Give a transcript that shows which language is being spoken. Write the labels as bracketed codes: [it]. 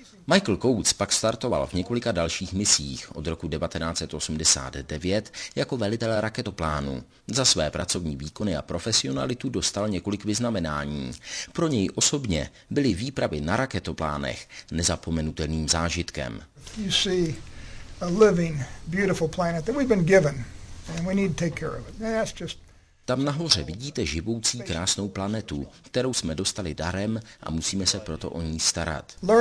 [cs] Michael Coates pak startoval v několika dalších misích od roku 1989 jako velitel raketoplánu. Za své pracovní výkony a profesionalitu dostal několik vyznamenání. Pro něj osobně byly výpravy na raketoplánech nezapomenutelným zážitkem. [en] You see a living, beautiful planet that we've been given and we need to take care of it. And that's just... [cs] Tam nahoře vidíte živoucí krásnou planetu, kterou jsme dostali darem a musíme se proto o ní starat.